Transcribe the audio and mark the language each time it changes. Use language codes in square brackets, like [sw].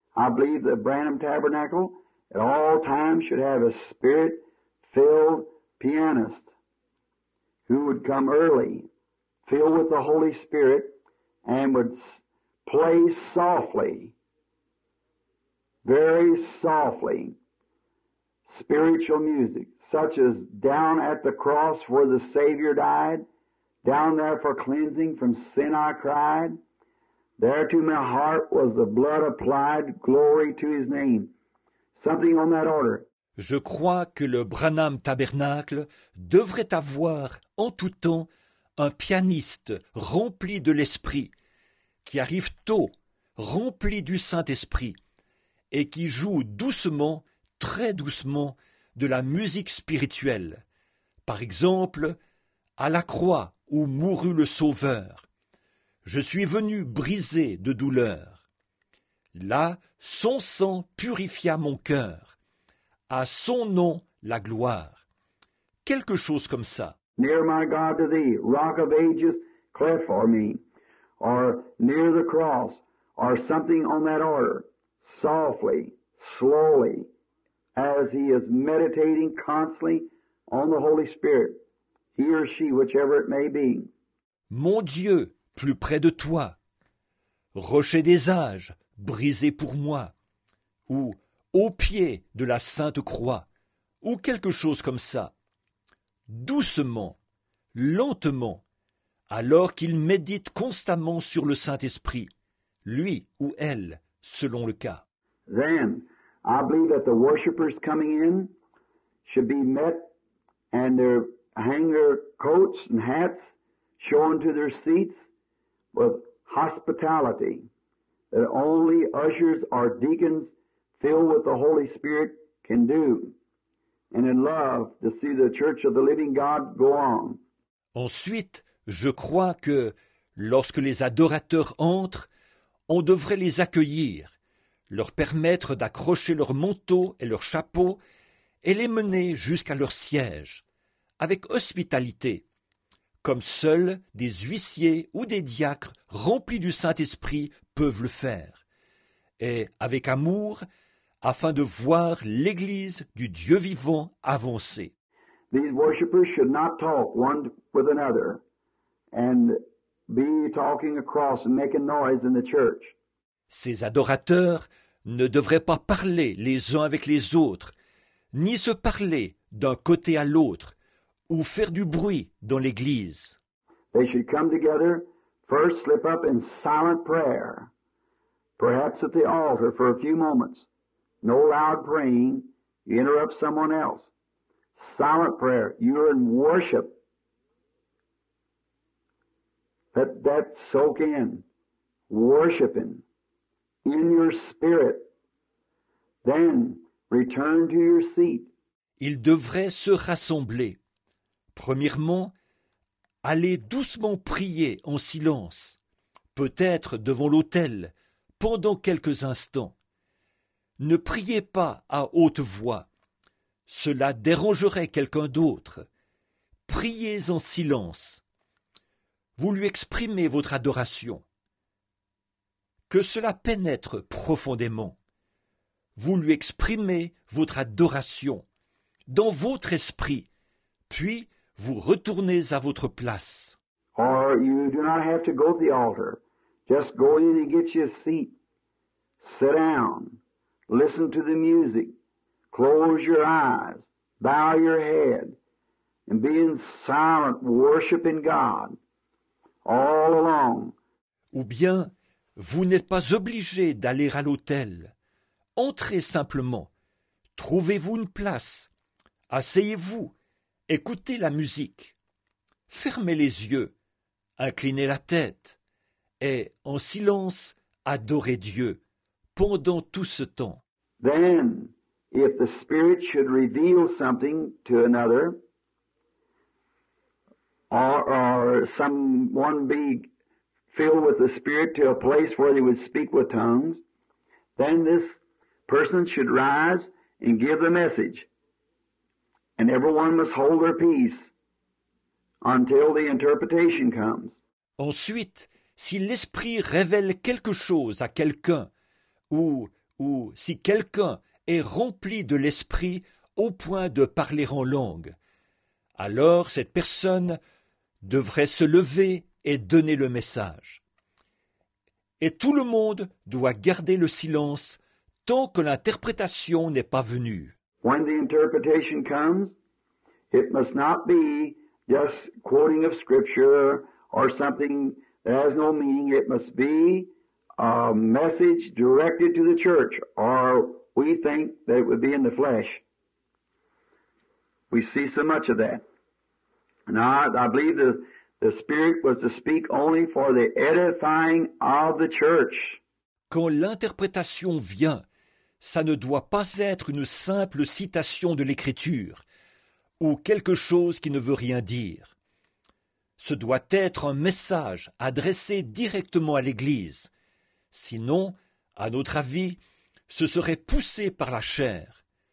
[en] I believe the Branham Tabernacle at all times should have a spirit-filled pianist who would come early, filled with the Holy Spirit, and would play softly, very softly, spiritual music, such as Down at the Cross Where the Savior Died, Down There for Cleansing from Sin I Cried, There to My Heart Was the Blood Applied, Glory to His Name. Something on that order. [fr] Je crois que le Branham Tabernacle devrait avoir en tout temps un pianiste rempli de l'Esprit, qui arrive tôt, rempli du Saint-Esprit, et qui joue doucement, très doucement, de la musique spirituelle. Par exemple, à la croix où mourut le Sauveur, je suis venu brisé de douleur. Là, son sang purifia mon cœur. À son nom, la gloire. Quelque chose comme ça. [en] Near my God to thee, rock of ages, cleft for me. Or near the cross, or something on that order, softly, slowly, as he is meditating constantly on the Holy Spirit, he or she, whichever it may be. [fr] Mon Dieu, plus près de toi, rocher des âges, brisé pour moi, ou au pied de la Sainte Croix, ou quelque chose comme ça, doucement, lentement, alors qu'il médite constamment sur le Saint-Esprit, lui ou elle, selon le cas. [en] Then, I believe that the worshipers coming in should be met and their hanger coats and hats shown to their seats with hospitality, that only ushers or deacons filled with the Holy Spirit can do, and in love to see the church of the living God go on. [fr] Ensuite, je crois que, lorsque les adorateurs entrent, on devrait les accueillir, leur permettre d'accrocher leurs manteaux et leurs chapeaux et les mener jusqu'à leur siège, avec hospitalité, comme seuls des huissiers ou des diacres remplis du Saint-Esprit peuvent le faire, et avec amour, afin de voir l'Église du Dieu vivant avancer. [en] These worshippers should not talk one with another and be talking across and making noise in the church. [fr] Ces adorateurs ne devraient pas parler les uns avec les autres, ni se parler d'un côté à l'autre, ou faire du bruit dans l'église. [en] They should come together, first slip up in silent prayer, perhaps at the altar for a few moments. No loud praying, you interrupt someone else. Silent prayer, you're in worship. Let that soak in, worshiping in your spirit. Then return to your seat. [fr] Ils devraient se rassembler. Premièrement, aller doucement prier en silence, peut-être devant l'autel, pendant quelques instants. Ne priez pas à haute voix. Cela dérangerait quelqu'un d'autre. Priez en silence. Vous lui exprimez votre adoration. Que cela pénètre profondément. Vous lui exprimez votre adoration dans votre esprit, puis vous retournez à votre place. [en] Or you do not have to go to the altar. Just go in and get you a seat. Sit down. Listen to the music. Close your eyes. Bow your head. And be in silent worshiping God all along. [fr] Ou bien, vous n'êtes pas obligé d'aller à l'autel. Entrez simplement. Trouvez-vous une place. Asseyez-vous. Écoutez la musique. Fermez les yeux. Inclinez la tête. Et, en silence, adorez Dieu pendant tout ce temps. [en] Then, if the Spirit should reveal something to another, or someone be filled with the Spirit to a place where they would speak with tongues, then this person should rise and give the message. And everyone must hold their peace until the interpretation comes. [fr] Ensuite, si l'Esprit révèle quelque chose à quelqu'un, ou si quelqu'un est rempli de l'Esprit au point de parler en langue, alors cette personne devrait se lever et donner le message. Et tout le monde doit garder le silence tant que l'interprétation n'est pas venue. [en] When the interpretation comes, it must not be just quoting of scripture or something that has no meaning. It must be a message directed to the church, or we think that it would be in the flesh. We see so much of that. Now, I believe the Spirit was to speak only for the edifying of the church. [fr] Quand l'interprétation vient, ça ne doit pas être une simple citation de l'Écriture ou quelque chose qui ne veut rien dire. Ce doit être un message adressé directement à l'Église. Sinon, à notre avis, ce serait poussé par la chair.